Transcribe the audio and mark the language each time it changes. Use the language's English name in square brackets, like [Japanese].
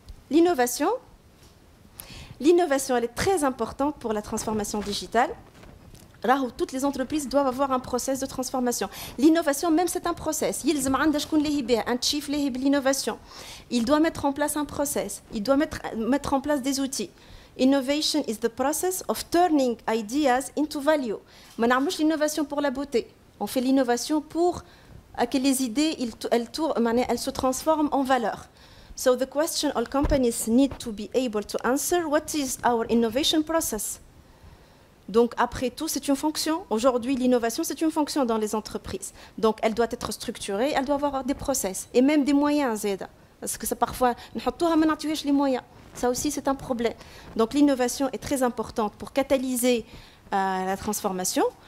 [French] L'innovation, elle est très importante pour la transformation digitale. Là où toutes les entreprises doivent avoir un process de transformation. L'innovation, même, c'est un process. Il doit mettre en place un process, il doit mettre en place des outils. [English] Innovation is the process of turning ideas into value. [French] On n'a pas l'innovation pour la beauté. On fait l'innovation pour que les idées elles se transforment en valeur. [English] So the question all companies need to be able to answer, what is our innovation process? [French] Donc, après tout, c'est une fonction. Aujourd'hui, l'innovation, c'est une fonction dans les entreprises. Donc, elle doit être structurée, elle doit avoir des process et même des moyens. Parce que ça, parfois, on met tout à l'intérieur des moyens. Ça aussi, c'est un problème. Donc, l'innovation est très importante pour catalyser la transformation.